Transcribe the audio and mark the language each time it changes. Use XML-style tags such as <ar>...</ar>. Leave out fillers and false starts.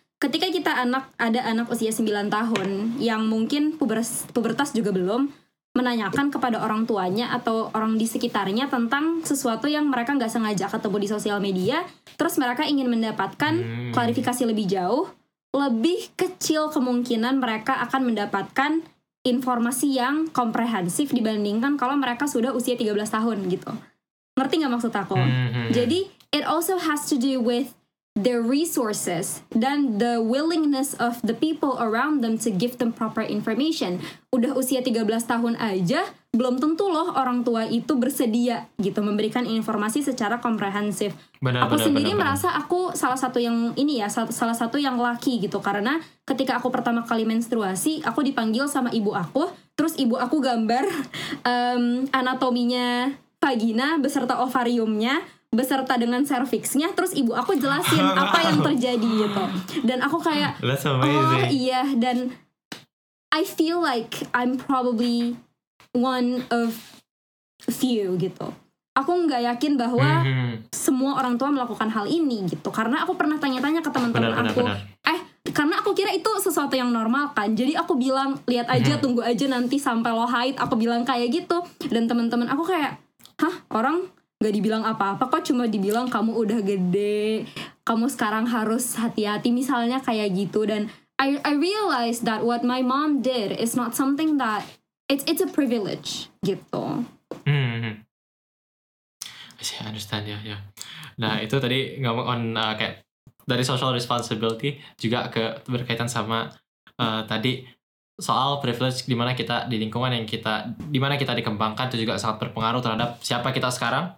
<id>Ketika kita ada anak usia 9 tahun yang mungkin pubertas juga belum, menanyakan kepada orang tuanya atau orang di sekitarnya tentang sesuatu yang mereka nggak sengaja ketemu di sosial media, terus mereka ingin mendapatkan klarifikasi lebih jauh, lebih kecil kemungkinan mereka akan mendapatkan informasi yang komprehensif dibandingkan kalau mereka sudah usia 13 tahun gitu. Ngerti gak maksud aku? Jadi</id> <en>it also has to do with their resources</en> <id>dan</id> <en>the willingness of the people around them to give them proper information.</en> <id>Udah usia 13 tahun aja belum tentu loh orang tua itu bersedia gitu memberikan informasi secara komprehensif. Aku sendiri merasa aku salah satu yang ini ya, salah satu yang lucky gitu, karena ketika aku pertama kali menstruasi, aku dipanggil sama ibu aku, terus ibu aku gambar anatominya vagina beserta ovariumnya beserta dengan serviksnya, terus ibu aku jelasin apa yang terjadi gitu. Dan aku kayak, oh iya, dan</id> <en>I feel like I'm probably one of few</en> <id>gitu. Aku nggak yakin bahwa semua orang tua melakukan hal ini gitu. Karena aku pernah tanya-tanya ke teman-teman aku. Karena aku kira itu sesuatu yang normal kan. Jadi aku bilang, lihat aja, tunggu aja nanti sampai lo haid. Aku bilang kayak gitu. Dan teman-teman aku kayak, hah, orang nggak dibilang apa-apa kok, cuma dibilang kamu udah gede, kamu sekarang harus hati-hati misalnya kayak gitu. Dan</id> <en>I realized that what my mom did is not something that it's a privilege</en> <id>gitu.</id> <en>I understand</en> <id>ya. Nah, itu tadi ngomong on kayak dari social responsibility juga ke berkaitan sama tadi soal privilege, di mana kita di lingkungan yang kita di mana kita dikembangkan itu juga sangat berpengaruh terhadap siapa kita sekarang.</id>